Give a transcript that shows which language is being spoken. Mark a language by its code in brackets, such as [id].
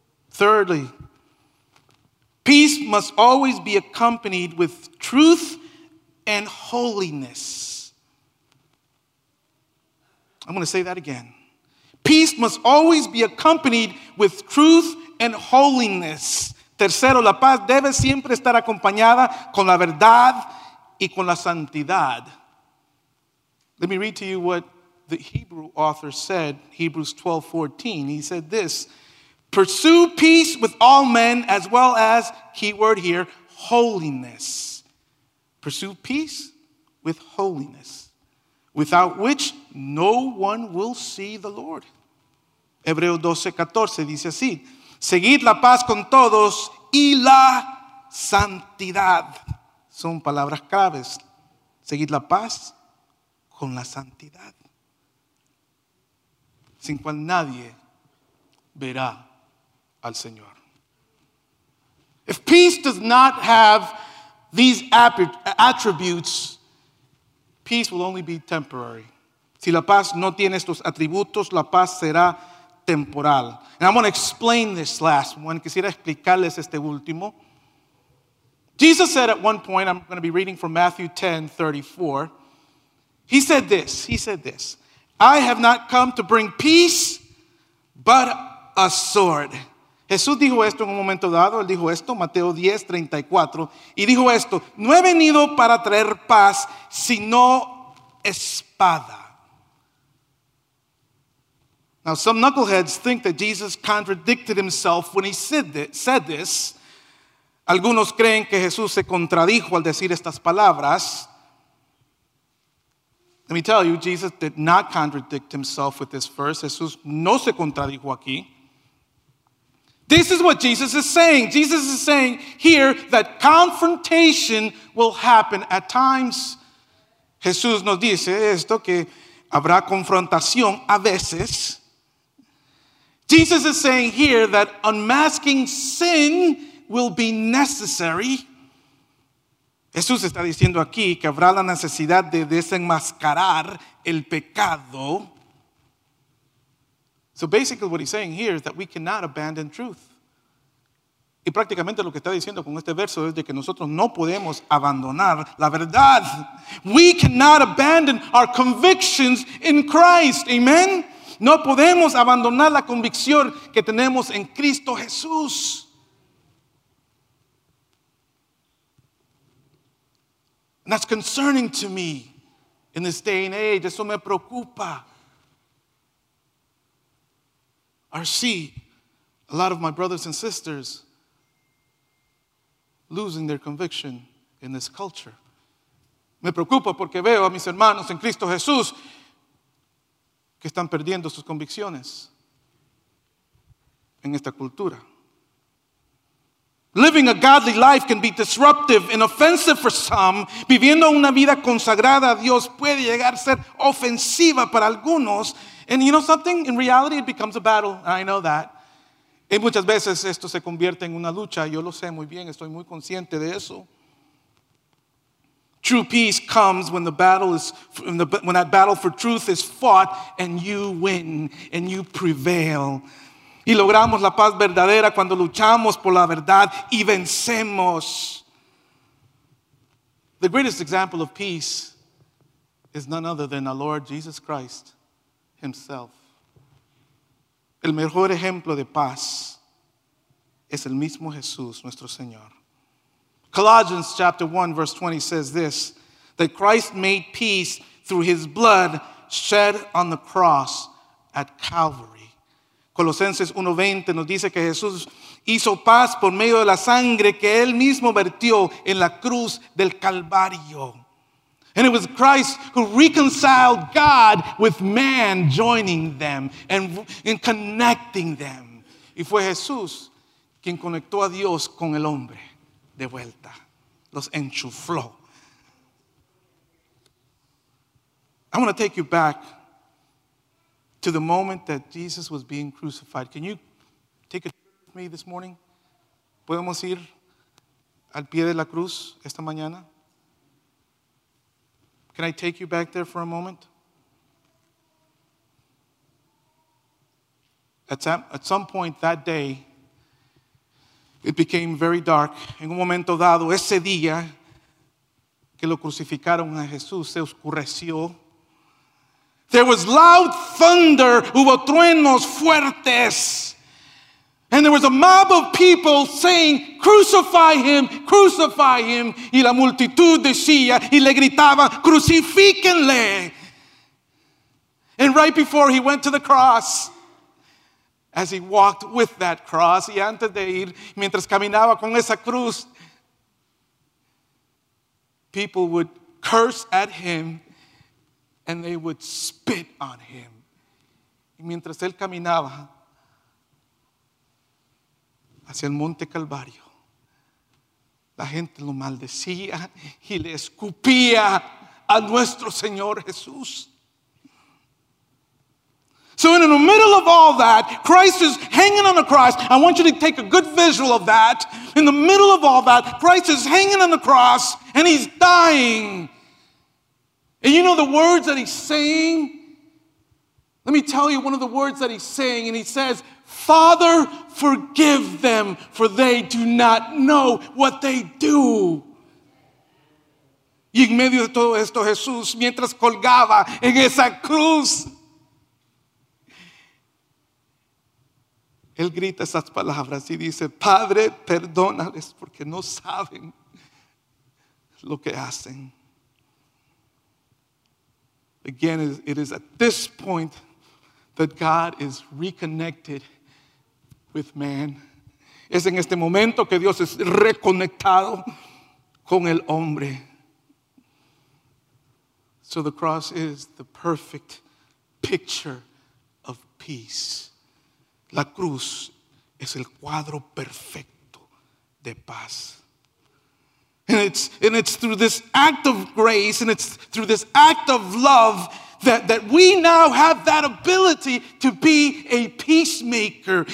[en] Thirdly, peace must always be accompanied with truth and holiness. I'm going to say that again. Peace must always be accompanied with truth and holiness. [es] Tercero, la paz debe siempre estar acompañada con la verdad y con la santidad. [en] Let me read to you what the Hebrew author said, Hebrews 12:14. He said this, pursue peace with all men as well as, key word here, holiness. Pursue peace with holiness, without which no one will see the Lord. [es] Hebreos 12:14 dice así, seguid la paz con todos y la santidad. Son palabras claves. Seguid la paz con la santidad. Sin cual nadie verá al Señor. [en] If peace does not have these attributes, peace will only be temporary. [es] Si la paz no tiene estos atributos, la paz será temporal. [en] And I'm going to explain this last one. [es] Quisiera explicarles este último. [en] Jesus said at one point, I'm going to be reading from Matthew 10:34. He said this. I have not come to bring peace, but a sword. [es] Jesús dijo esto en un momento dado. Él dijo esto, Mateo 10:34. Y dijo esto, no he venido para traer paz, sino espada. [en] Now, some knuckleheads think that Jesus contradicted himself when he said this. [es] Algunos creen que Jesús se contradijo al decir estas palabras. [en] Let me tell you, Jesus did not contradict himself with this verse. [es] Jesús no se contradijo aquí. [en] This is what Jesus is saying. Jesus is saying here that confrontation will happen at times. [es] Jesús nos dice esto, que habrá confrontación a veces. [en] Jesus is saying here that unmasking sin will be necessary. [es] Jesús está diciendo aquí que habrá la necesidad de desenmascarar el pecado. [en] So basically what he's saying here is that we cannot abandon truth. [es] Y prácticamente lo que está diciendo con este verso es de que nosotros no podemos abandonar la verdad. [en] We cannot abandon our convictions in Christ. Amen. [es] No podemos abandonar la convicción que tenemos en Cristo Jesús. [en] And that's concerning to me in this day and age. [es] Eso me preocupa. [en] RC, a lot of my brothers and sisters losing their conviction in this culture. [es] Me preocupa porque veo a mis hermanos en Cristo Jesús que están perdiendo sus convicciones en esta cultura. [en] Living a godly life can be disruptive and offensive for some. [es] Viviendo una vida consagrada a Dios puede llegar a ser ofensiva para algunos. [en] And you know something? In reality, it becomes a battle. I know that. [es] Y muchas veces esto se convierte en una lucha. Yo lo sé muy bien. Estoy muy consciente de eso. [en] True peace comes when the battle is when that battle for truth is fought and you win and you prevail. [es] Y logramos la paz verdadera cuando luchamos por la verdad y vencemos. [en] The greatest example of peace is none other than our Lord Jesus Christ himself. [es] El mejor ejemplo de paz es el mismo Jesús, nuestro Señor. [en] Colossians chapter 1 verse 20 says this, that Christ made peace through his blood shed on the cross at Calvary. [es] Colosenses 1:20 nos dice que Jesús hizo paz por medio de la sangre que él mismo vertió en la cruz del Calvario. [en] And it was Christ who reconciled God with man, joining them and connecting them. [es] Y fue Jesús quien conectó a Dios con el hombre de vuelta. Los enchufló. [en] I want to take you back to the moment that Jesus was being crucified. Can you take a trip with me this morning? [es] ¿Podemos ir al pie de la cruz esta mañana? [en] Can I take you back there for a moment? At some point that day, it became very dark. [es] En un momento dado, ese día que lo crucificaron a Jesús, se oscureció. [en] There was loud thunder, [es] hubo truenos fuertes. [en] And there was a mob of people saying, crucify him, crucify him. [es] Y la multitud decía, y le gritaba, crucifíquenle. [en] And right before he went to the cross, as he walked with that cross, [es] y antes de ir, mientras caminaba con esa cruz, [en] people would curse at him and they would spit on him. [es] Y mientras él caminaba hacia el Monte Calvario, la gente lo maldecía y le escupía a nuestro Señor Jesús. [en] So in the middle of all that, Christ is hanging on the cross. I want you to take a good visual of that. In the middle of all that, Christ is hanging on the cross and he's dying. And you know the words that he's saying? Let me tell you one of the words that he's saying. And he says, Father, forgive them, for they do not know what they do. [es] Y en medio de todo esto, Jesús, mientras colgaba en esa cruz, él grita esas palabras y dice, Padre, perdónales porque no saben lo que hacen. [en] Again, it is at this point that God is reconnected with man. [es] Es en este momento que Dios es reconectado con el hombre. [en] So the cross is the perfect picture of peace. [es] La cruz es el cuadro perfecto de paz. [en] And it's through this act of grace, and it's through this act of love that we now have that ability to be a peacemaker.